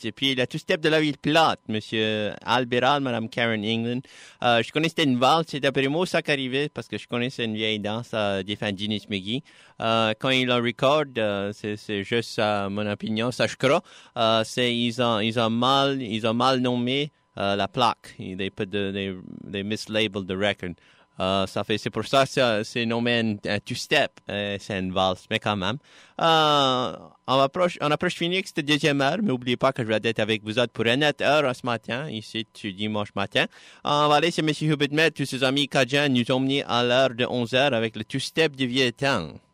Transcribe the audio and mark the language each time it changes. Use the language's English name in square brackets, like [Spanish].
[French] Et puis, la two-step de la ville plate, Monsieur Albiral, Madame Karen England. Je connaissais une valse, c'est d'après moi ça qui arrivait, parce que je connaissais une vieille danse des fans d'Innis McGee. Quand ils la record, c'est juste mon opinion, ça je crois. Ils ont mal nommé la plaque. [English] They mislabeled the record. [French] C'est pour ça que c'est nommé un two-step, c'est une valse, mais quand même. On approche Phoenix de deuxième heure, mais n'oubliez pas que je vais être avec vous autres pour une heure ce matin, ici, dimanche matin. On va laisser M. Hubert Met, tous ses amis Kajan, nous emmener à l'heure de 11h avec le two-step du vieux temps.